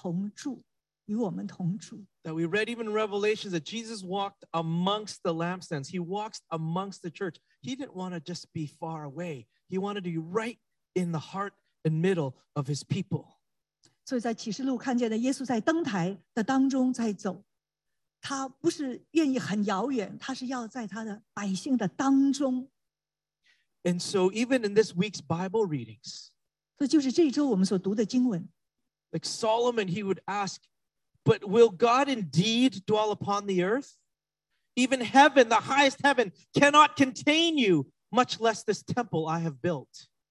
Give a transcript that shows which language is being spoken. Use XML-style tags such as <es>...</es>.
<zh>但其实你听到呢这句话，神的声音是说，他渴望与人同住，与我们同住。</zh> <en>That we read even in Revelation that Jesus walked amongst the lampstands. He walks amongst the church. He didn't want to just be far away. He wanted to be right in the heart and middle of his people.</en> <zh>所以在启示录看见的耶稣在灯台的当中在走，他不是愿意很遥远，他是要在他的百姓的当中。</zh> <en>And so even in this week's Bible readings,</en> <zh>所以就是这一周我们所读的经文,</zh> <en>like Solomon, he would ask, but will God indeed dwell upon the earth? Even heaven, the highest heaven, cannot contain you, much less this temple I have built.</en>